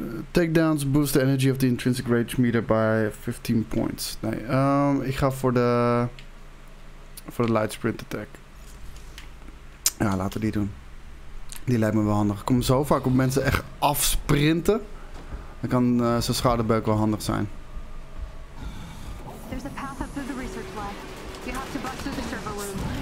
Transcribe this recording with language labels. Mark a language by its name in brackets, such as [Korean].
[English] Takedowns boost the energy of the intrinsic rage meter by 15 points. [Dutch] Nee, ik ga voor de light sprint attack. Ja, laten we die doen. Die lijkt me wel handig. Ik kom zo vaak op mensen echt afsprinten. Dan kan zijn schouderbeuk wel handig zijn. [English] There's a path up through the research lab. You have to bust through the servo room.